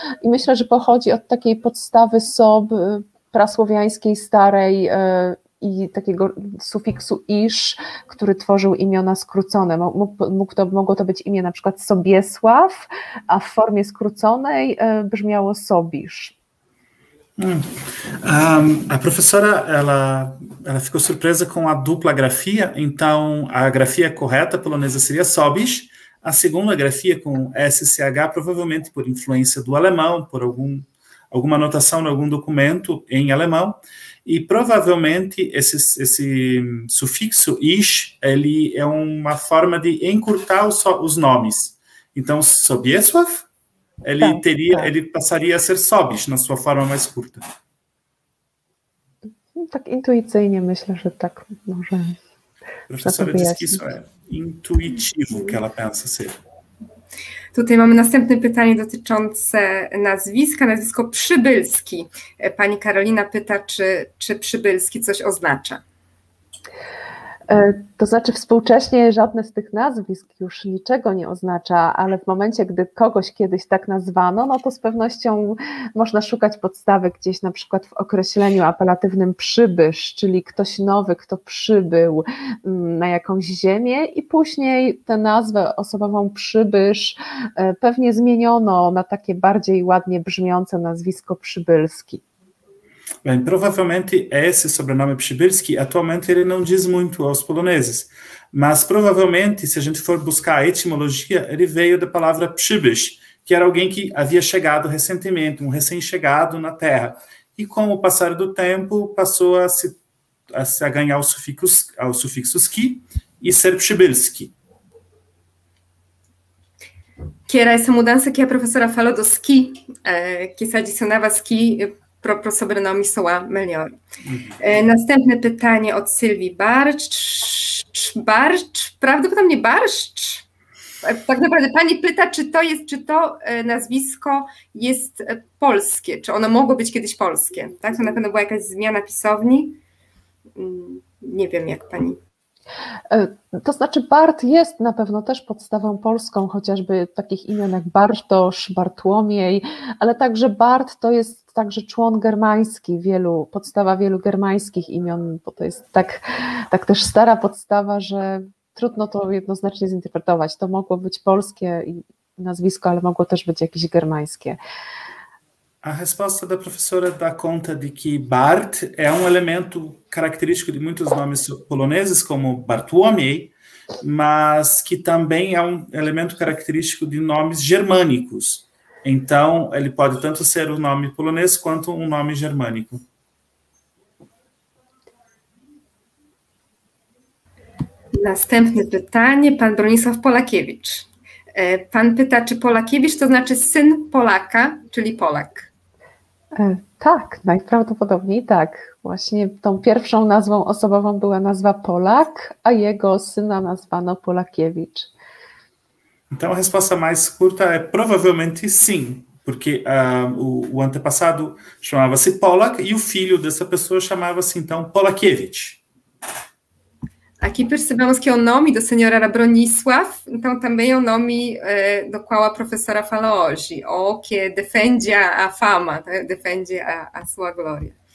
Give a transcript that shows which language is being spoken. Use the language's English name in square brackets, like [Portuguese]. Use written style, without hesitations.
[Polish] I myślę, że pochodzi od takiej podstawy sob prasłowiańskiej, starej, i takiego sufiksu isz, który tworzył imiona skrócone. Mogło to być imię na przykład Sobiesław, a w formie skróconej brzmiało Sobisz. [Portuguese] A profesora, ela ficou surpresa com a dupla grafia, então a grafia correta polonesa seria Sobisz, a segunda grafia com SCH, provavelmente por influência do alemão, por alguma anotação em algum documento em alemão, e provavelmente esse sufixo ish, ele é uma forma de encurtar os nomes. Então, Sobiesław, ele passaria a ser Sobisz na sua forma mais curta. [Polish] Tak intuicyjnie, myślę, że tak może. [Portuguese] Professora disse que isso é intuitivo que ela pensa ser. [Polish] Tutaj mamy następne pytanie dotyczące nazwiska, nazwisko Przybylski. Pani Karolina pyta, czy Przybylski coś oznacza? To znaczy współcześnie żadne z tych nazwisk już niczego nie oznacza, ale w momencie, gdy kogoś kiedyś tak nazwano, no to z pewnością można szukać podstawy gdzieś na przykład w określeniu apelatywnym przybysz, czyli ktoś nowy, kto przybył na jakąś ziemię i później tę nazwę osobową przybysz pewnie zmieniono na takie bardziej ładnie brzmiące nazwisko przybylski. [Portuguese] Bem, provavelmente esse sobrenome Przybylski, atualmente ele não diz muito aos poloneses, mas provavelmente, se a gente for buscar a etimologia, ele veio da palavra Przybysz, que era alguém que havia chegado recentemente, um recém-chegado na Terra, e com o passar do tempo passou a ganhar o sufixo ski e ser Przybylski. Que era essa mudança que a professora falou do ski, que se adicionava ski... Pro sobrenomi soa melior. [Polish] Następne pytanie od Sylwii Barcz. Barcz? Prawdopodobnie Barszcz. Tak naprawdę pani pyta, czy to nazwisko jest polskie, czy ono mogło być kiedyś polskie. Tak? To na pewno była jakaś zmiana pisowni. Nie wiem, jak pani. To znaczy Bart jest na pewno też podstawą polską, chociażby takich imion jak Bartosz, Bartłomiej, ale także Bart to jest także człon germański, podstawa wielu germańskich imion, bo to jest tak też stara podstawa, że trudno to jednoznacznie zinterpretować. To mogło być polskie nazwisko, ale mogło też być jakieś germańskie. [Portuguese] A resposta da professora dá conta de que Bart é um elemento característico de muitos nomes poloneses, como Bartłomiej, mas que também é um elemento característico de nomes germânicos. Então, ele pode tanto ser um nome polonês quanto um nome germânico. [Polish] Następne pytanie, pan Bronisław Polakiewicz. Pan pyta, czy Polakiewicz to znaczy syn Polaka, czyli Polak? Tak, najprawdopodobniej tak. Właśnie tą pierwszą nazwą osobową była nazwa Polak, a jego syna nazwano Polakiewicz. [Portuguese] Então a resposta mais curta é provavelmente sim, porque o antepassado chamava-se Polak e o filho dessa pessoa chamava-se então Polakiewicz. Aqui percebemos que o nome do senhor era Bronisław, então também é o nome do qual a professora falou hoje, ou que defende a fama, defende a sua glória.